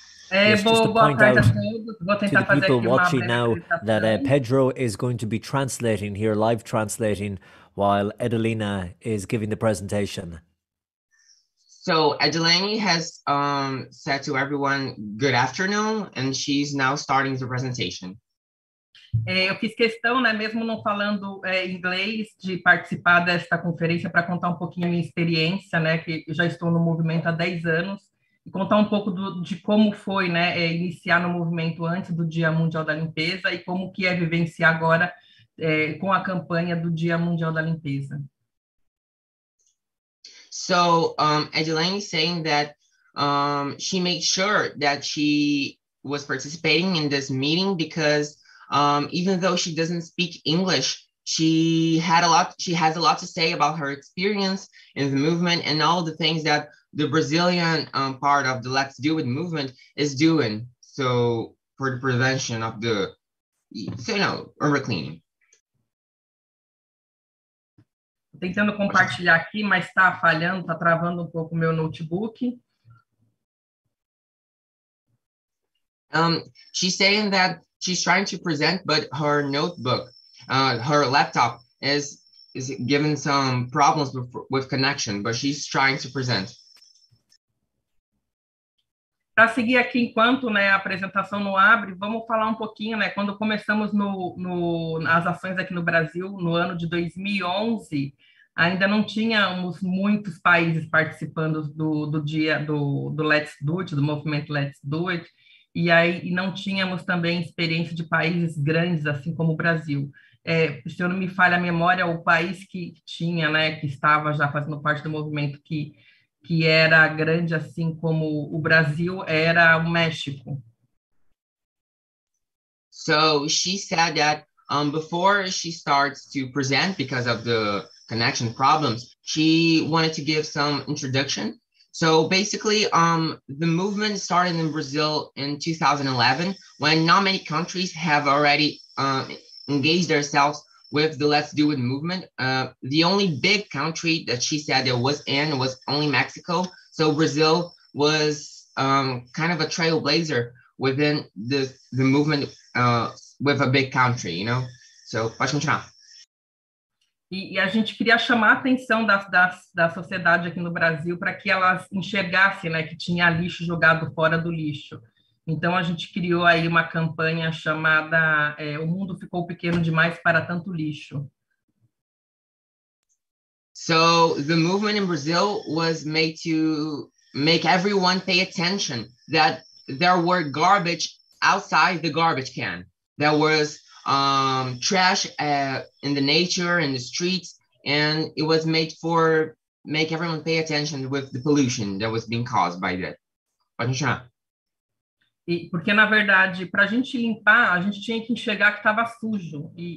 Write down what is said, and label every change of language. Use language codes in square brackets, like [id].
[en] To the people watching now that Pedro is going to be translating here, live translating, while Edelina is giving the presentation. So Edelani has said to everyone, good afternoon, and she's now starting the presentation. [pt] Eu fiz questão, né, mesmo não falando inglês, de participar desta conferência para contar um pouquinho minha experiência, né, que eu já estou no movimento há 10 anos. E contar um pouco de como foi, né, iniciar no movimento antes do Dia Mundial da Limpeza e como que é vivenciar agora com a campanha do Dia Mundial da Limpeza. [en] So, Edelaine saying that she made sure that she was participating in this meeting because even though she doesn't speak English, she has a lot to say about her experience in the movement and all the things that the Brazilian part of the Let's Do It movement is doing, so for the prevention of the, urban cleaning. [pt] Tentando compartilhar aqui, mas está falhando, está travando um pouco o meu notebook. [en] She's saying that she's trying to present, but her notebook, her laptop is giving some problems with connection, but she's trying to present. [pt] Para seguir aqui enquanto, né, a apresentação não abre, vamos falar um pouquinho, né, quando começamos nas ações aqui no Brasil, no ano de 2011, ainda não tínhamos muitos países participando do Let's Do It, do movimento Let's Do It, e não tínhamos também experiência de países grandes, assim como o Brasil. Se eu não me falha a memória, o país que tinha, né, que estava já fazendo parte do movimento que era grande assim como o Brasil, era o México. [en] So she said that before she starts to present because of the connection problems, she wanted to give some introduction. So basically, the movement started in Brazil in 2011, when not many countries have already engaged themselves with the Let's Do It movement. The only big country that she said it was in was only Mexico. So Brazil was kind of a trailblazer within the movement with a big country, you know? [pt] So, pode continuar. E a gente queria chamar a atenção da sociedade aqui no Brasil para que elas enxergassem, né, que tinha lixo jogado fora do lixo. Então, a gente criou aí uma campanha chamada O Mundo Ficou Pequeno Demais para Tanto Lixo. [en] So, the movement in Brazil was made to make everyone pay attention that there were garbage outside the garbage can. There was trash in the nature, in the streets, and it was made for make everyone pay attention with the pollution that was being caused by that. [pt] Porque, na verdade, para a gente limpar, a gente tinha que enxergar que estava sujo.